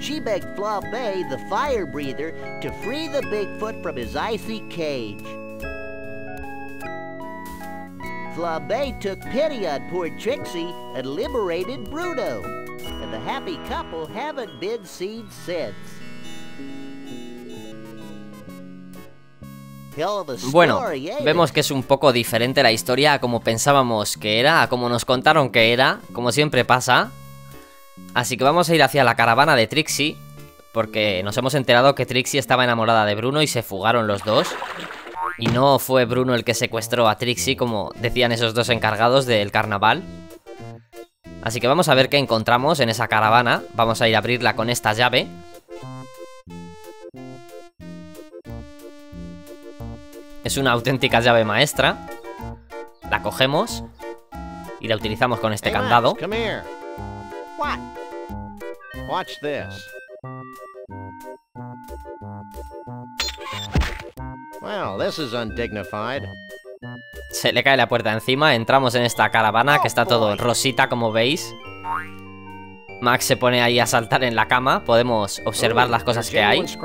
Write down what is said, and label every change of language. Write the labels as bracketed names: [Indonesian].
[English] She begged Flambe, the fire breather, to free the Bigfoot from his icy cage. Flambe took pity on poor Trixie and liberated Bruno. And the happy couple haven't been seen since. [Spanish] Bueno, vemos que es un poco diferente la historia a como pensábamos que era, a como nos contaron que era, como siempre pasa. Así que vamos a ir hacia la caravana de Trixie, porque nos hemos enterado que Trixie estaba enamorada de Bruno y se fugaron los dos. Y no fue Bruno el que secuestró a Trixie, como decían esos dos encargados del carnaval. Así que vamos a ver qué encontramos en esa caravana, vamos a ir a abrirla con esta llave. Es una auténtica llave maestra. La cogemos y la utilizamos con este candado. Max, [English] Well, this is undignified. [Spanish] Se le cae la puerta encima, entramos en esta caravana que está todo rosita, como veis. Max se pone ahí a saltar en la cama, podemos observar las cosas que hay.